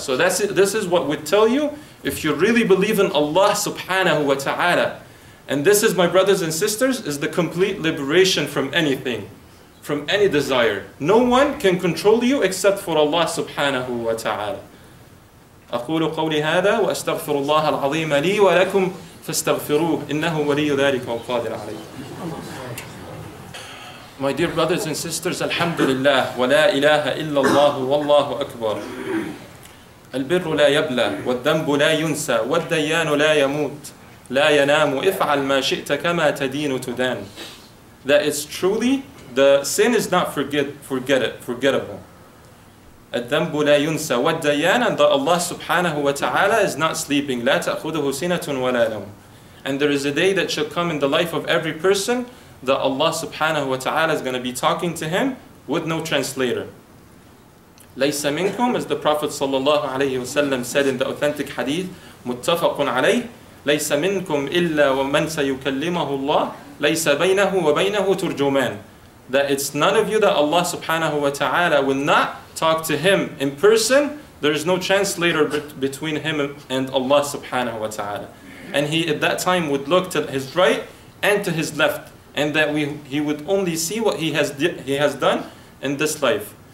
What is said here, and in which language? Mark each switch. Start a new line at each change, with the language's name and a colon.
English: So this is what would tell you if you really believe in Allah subhanahu wa ta'ala. And this is, my brothers and sisters, is the complete liberation from anything, from any desire. No one can control you except for Allah subhanahu wa ta'ala.
Arabic: أقول قولي هذا وأستغفر الله العظيم لي ولكم فاستغفروه إنه ولي ذلك والقادر عليه.
English: My dear brothers and sisters, alhamdulillah,
Arabic: ولا إله إلا الله والله أكبر. البر لا يبلى والذنب لا ينسى والديان لا يموت لا ينام افعل ما شئت كما تدين تدان.
English: That is truly, the sin is not forgettable.
Arabic: الذنب لا ينسى والديان,
English: and that Allah subhanahu wa ta'ala is not sleeping.
Arabic: لا تأخذه سنة ولا نوم.
English: And there is a day that shall come in the life of every person that Allah subhanahu wa ta'ala is going to be talking to him with no translator.
Arabic: ليس منكم,
English: as the Prophet sallallahu alayhi wa sallam said in the authentic hadith,
Arabic: متفق عليه, ليس منكم إلا ومن سيكلمه الله ليس بينه وبينه ترجمان.
English: That it's none of you that Allah subhanahu wa ta'ala will not talk to him in person. There is no translator between him and Allah subhanahu wa ta'ala. And he at that time would look to his right and to his left, and that he would only see what he has done in this life.